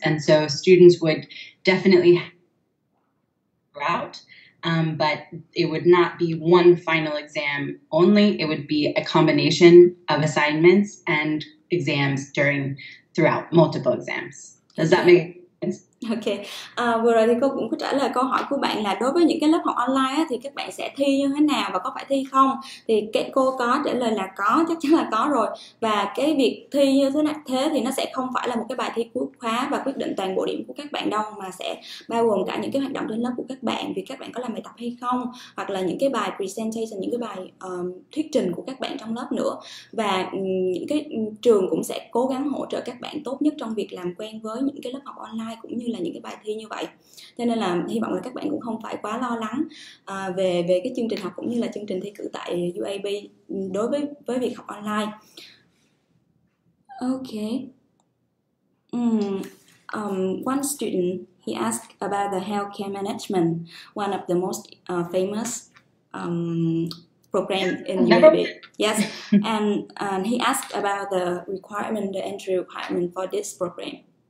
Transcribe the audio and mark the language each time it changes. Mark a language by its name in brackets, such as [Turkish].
[English] And so students would definitely route, but it would not be one final exam only. It would be a combination of assignments and exams throughout multiple exams. Does that make sense? [Vietnamese] Ok, vừa rồi thì cô cũng có trả lời câu hỏi của bạn là đối với những cái lớp học online á, thì các bạn sẽ thi như thế nào và có phải thi không? Thì cô có trả lời là có, chắc chắn là có rồi. Và cái việc thi như thế thì nó sẽ không phải là một cái bài thi cuối khóa và quyết định toàn bộ điểm của các bạn đâu, mà sẽ bao gồm cả những cái hoạt động trên lớp của các bạn, việc các bạn có làm bài tập hay không, hoặc là những cái bài presentation, những cái bài thuyết trình của các bạn trong lớp nữa. Và những cái trường cũng sẽ cố gắng hỗ trợ các bạn tốt nhất trong việc làm quen với những cái lớp học online cũng như là những cái bài thi như vậy. Cho nên là hy vọng là các bạn cũng không phải quá lo lắng về cái chương trình học cũng như là chương trình thi cử tại UAB đối với việc học online. Okay. [English] One student, he asked about the healthcare management, one of the most famous program in UAB. Yes. And he asked about the entry requirement for this program.